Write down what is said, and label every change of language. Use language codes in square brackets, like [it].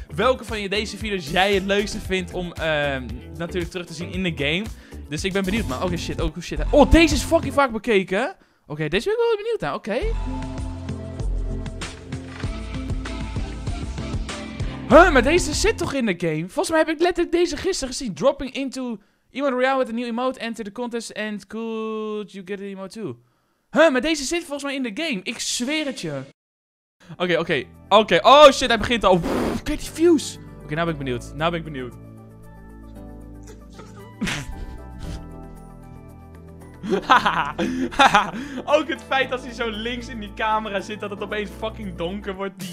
[nl] Welke van deze videos jij het leukste vindt om natuurlijk terug te zien in de game. Dus ik ben benieuwd, maar oké, shit, oh shit. Oh, deze is fucking vaak bekeken. Oké, deze ben ik wel benieuwd naar, oké. Huh, maar deze zit toch in de game? Volgens mij heb ik letterlijk deze gisteren gezien. [en] Dropping into Emote Royale with a new emote. Enter the contest and could you get an emote too? [nl] Huh, maar deze zit volgens mij in de game. Ik zweer het je. Oké. Oh shit, hij begint al. Kijk die views. Oké, nou ben ik benieuwd. Haha. Ook het feit dat hij zo links in die camera zit. Dat het opeens fucking donker wordt.